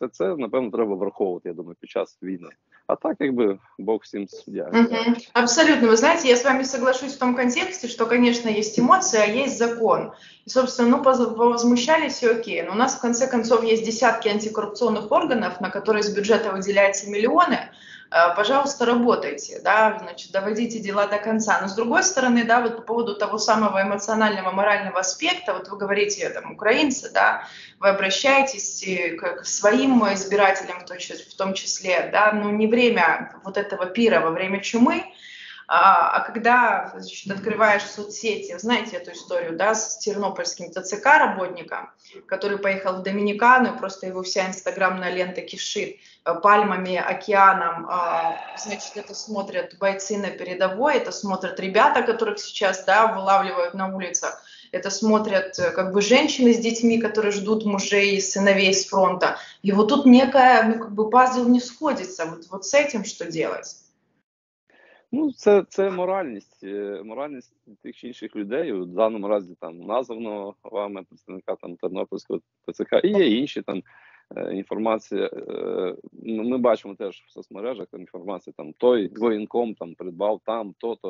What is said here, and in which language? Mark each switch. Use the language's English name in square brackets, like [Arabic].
[Ukrainian] Це напевно треба враховувати, я думаю, під час війни. А так якби Бог всім суддя. Абсолютно. Ви знаєте, я з вами соглашусь в тому контексті, що, звісно, є емоції, а є закон. І, [Russian] собственно, ну, повозмущались [Ukrainian] і окей. [Russian] Но у нас, в конце концов, [Ukrainian] є десятки антикорупційних органів, на які з бюджету виділяються мільйони. [Russian] Пожалуйста, работайте, да, значит, доводите дела до конца. Но с другой стороны, да, вот по поводу того самого эмоционального, морального аспекта, вот вы говорите, там, украинцы, да, вы обращаетесь к своим избирателям в том числе, да, ну не время вот этого пира во время чумы, а когда, значит, открываешь соцсети, знаете эту историю, да, с тернопольским ТЦК работником, который поехал в Доминикану, и просто его вся инстаграмная лента кишит пальмами, океаном, значит, это смотрят бойцы на передовой, это смотрят ребята, которых сейчас, да, вылавливают на улицах, это смотрят как бы женщины с детьми, которые ждут мужей и сыновей с фронта. И вот тут некая, ну, как бы пазл не сходится. Вот с этим что делать? [Ukrainian] Ну, це моральність тих чи інших людей, в даному разі там названого вами представника там тернопільського ТЦК, і є інші там інформація. Ми бачимо теж в соцмережах там інформація, там той воєнком там придбав там то-то.